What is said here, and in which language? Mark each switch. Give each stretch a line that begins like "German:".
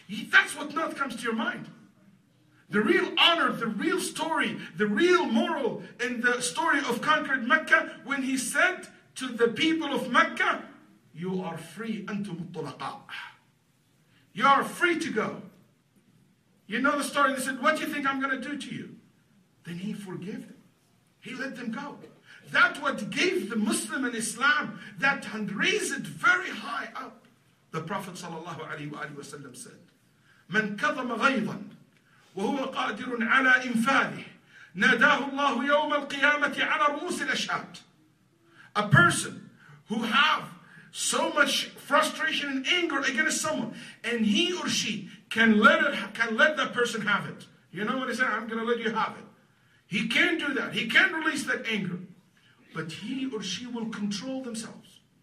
English: That's what not comes to your mind. The real honor, the real story, the real moral in the story of conquered Mecca, when he said to the people of Mecca, you are free, antum mutlaqa. You are free to go. You know the story, they said, what do you think I'm going to do to you? Then he forgave them. He let them go. That's what gave the Muslim and Islam that and raised it very high up. The Prophet sallallahu alaihi wasallam said,
Arabic: من كظم غيظا وهو قادر على إنفاذه ناداه الله يوم القيامة على رؤوس الأشهاد.
English: A person who have so much frustration and anger against someone, and he or she can let that person have it. You know what he said? I'm going to let you have it. He can do that. He can release that anger, but he or she will control themselves.